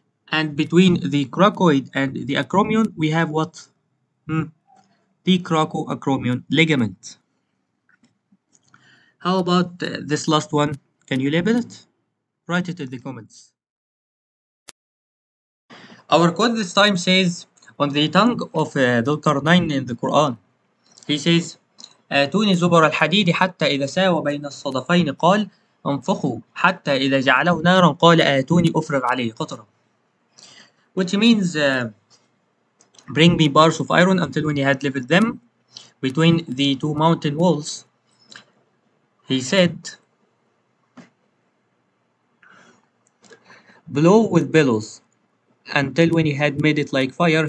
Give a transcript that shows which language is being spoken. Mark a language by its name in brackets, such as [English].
[English] And between the crocoid and the acromion, we have what? The coracoacromion ligament. How about this last one? Can you label it? Write it in the comments. Our quote this time says, on the tongue of Dhulqarnain in the Quran, he says, [Arabic] آتوني زبر الحديد حتى إذا ساوى بين الصدفين قال أنفخوا حتى إذا جعله نارا قال آتوني أفرغ عليه قطرة. [English] Which means, bring me bars of iron until when he had levelled them between the two mountain walls. He said, blow with bellows until when he had made it like fire.